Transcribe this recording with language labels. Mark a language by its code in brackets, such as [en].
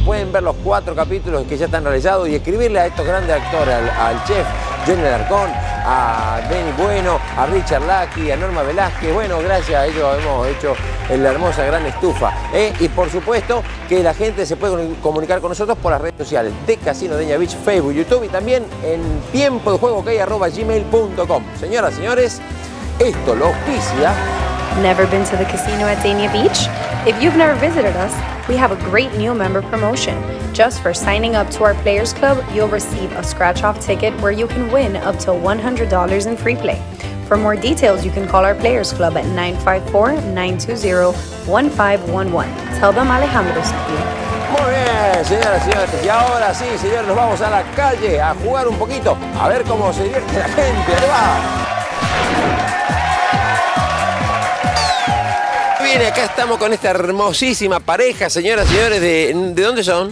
[es] Pueden ver los 4 capítulos que ya están realizados y escribirle a estos grandes actores, al chef Johnny Alarcón, a Benny Bueno, a Richard Lackey, a Norma Velázquez. Bueno, gracias a ellos hemos hecho la hermosa gran estufa. Y por supuesto que la gente se puede comunicar con nosotros por las redes sociales de Casino Deña Beach, Facebook, YouTube y también en tiempodejuegoque@gmail.com. Señoras, señores, esto lo auspicia. [en] Never been to the casino at Dania Beach? If you've never visited us, we have a great new member promotion. Just for signing up to our Players Club, you'll receive a scratch-off ticket where you can win up to $100 in free play. For more details, you can call our Players Club at 954-920-1511. Tell them Alejandro sent you. [es] Muy bien, señoras y señores. Y ahora sí, señores, nos vamos a la calle a jugar un poquito, a ver cómo se divierte la gente. ¡Ahí va! Bien, acá estamos con esta hermosísima pareja, señoras y señores. ¿De dónde son?